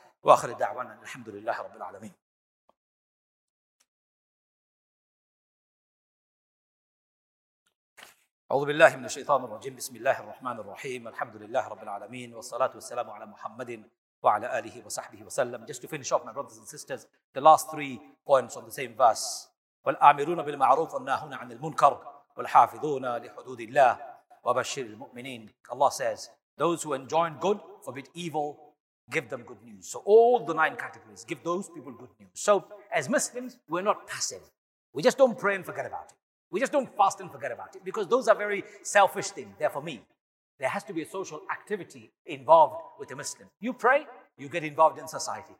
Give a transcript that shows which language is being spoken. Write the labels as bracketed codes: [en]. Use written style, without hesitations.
[ar] وآخر دعوانا الحمد لله رب العالمين. أعوذ بالله من الشيطان الرجيم. بسم الله الرحمن الرحيم. الحمد لله رب العالمين. والصلاة والسلام على محمد وعلى آله وصحبه وسلم. [en] Just to finish off, my brothers and sisters, the last three points on the same verse. [ar] والآمرون بالمعروف والناهون عن المنكر والحافظون لحدود الله وبشر المؤمنين. [en] Allah says, those who enjoin good forbid evil. Give them good news. So all the nine categories, give those people good news. So as Muslims, we're not passive. We just don't pray and forget about it. We just don't fast and forget about it because those are very selfish things. They're for me. There has to be a social activity involved with a Muslim. You pray, you get involved in society.